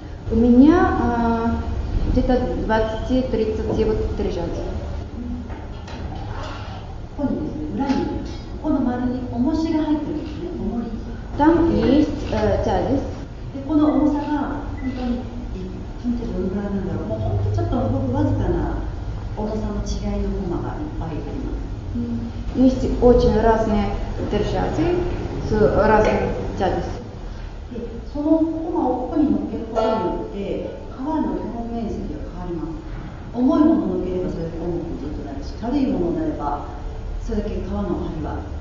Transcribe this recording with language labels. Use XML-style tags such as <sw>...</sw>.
<ru>У меня где-то 20-30 вот держателей.</ru> <ja>ここにですね、裏に、この丸に重しが入ってるんですね、重り。</ja> <ru>Там есть тяжесть.</ru> <ja>で、この重さが本当に、どのくらいなんだろう、もう本当にちょっと動くわずかな重さの違いのコマがいっぱいあります。</ja> <ru>Есть очень разные держатели с разной тяжестью.</ru> <ja>で、そのコマをここに乗っけることによって、革の表面積が変わります。重いものを乗っければそれだけ重くずっとなるし、軽いものになればそれだけ革の張りは。</ja>